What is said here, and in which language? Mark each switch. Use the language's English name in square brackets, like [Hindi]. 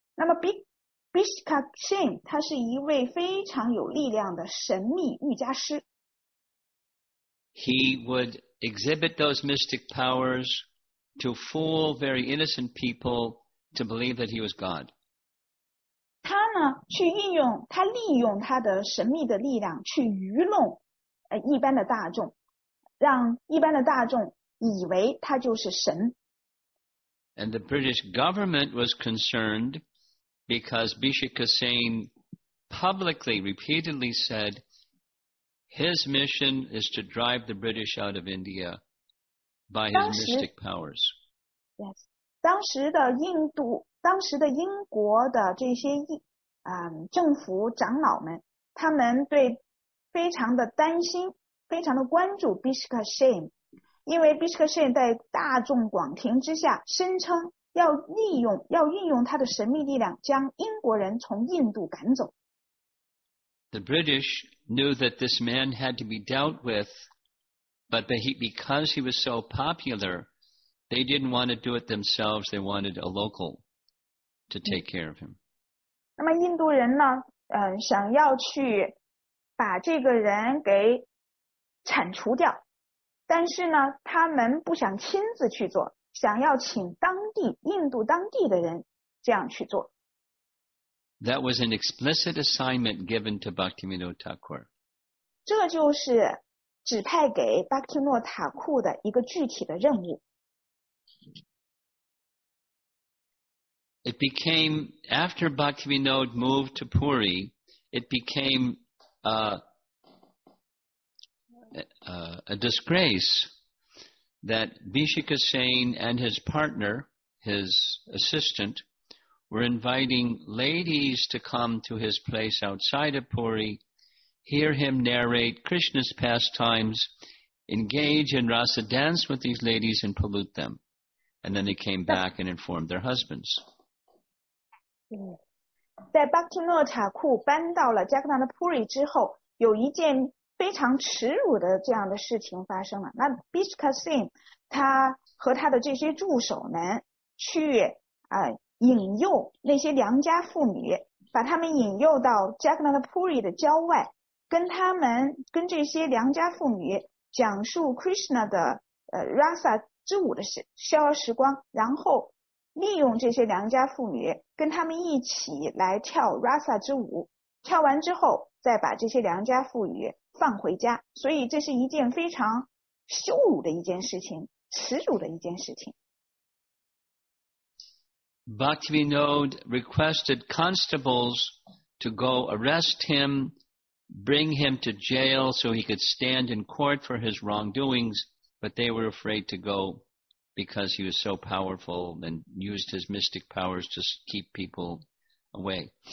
[Chinese] 那么 Bhishikasen 他是一位非常有力量的神秘瑜伽师。 [English] He would exhibit those mystic powers to fool very innocent people to believe that he was God. [Chinese] 他呢，去运用，他利用他的神秘的力量去愚弄一般的大众，让一般的大众以为他就是神。 [English] And the British government was concerned because Bhishikasen publicly, repeatedly said,His mission is to drive the British out of India by his mystic powers. [Chinese] Yes. 当时的印度，当时的英国的这些政府长老们，他们对非常的担心，非常的关注 Bhishikasen， 因为 Bhishikasen 在大众广听之下声称要利用，要运用他的神秘力量将英国人从印度赶走。 [English] The British knew that this man had to be dealt with, but because he was so popular, they didn't want to do it themselves. They wanted a local to take care of him. [Chinese] 那么印度人呢，想要去把这个人给铲除掉，但是呢，他们不想亲自去做，想要请当地印度当地的人这样去做。 [English] That was an explicit assignment given to Bhaktivinoda Thakur. [Chinese] 这就是指派给巴克提诺塔库的一个具体的任务。 [English] It became, after Bhaktivinoda moved to Puri, it became a disgrace that Bhishikasen and his partner, his assistant,were inviting ladies to come to his place outside of Puri, hear him narrate Krishna's pastimes, engage in rasa dance with these ladies and pollute them. And then they came back and informed their husbands. [Chinese] 在巴克提诺塔库搬到了加格纳的 Puri 之后，有一件非常耻辱的这样的事情发生了。那 Bhishikasen 他和他的这些助手们去引诱那些良家妇女，把他们引诱到加格纳的普里的郊外，跟这些良家妇女讲述 Krishna 的Rasa 之舞的逍遥时光，然后利用这些良家妇女跟他们一起来跳 Rasa 之舞，跳完之后再把这些良家妇女放回家，所以这是一件非常羞辱的一件事情，耻辱的一件事情。 [English] Bhaktivinoda requested constables to go arrest him, bring him to jail so he could stand in court for his wrongdoings, but they were afraid to go because he was so powerful and used his mystic powers to keep people away.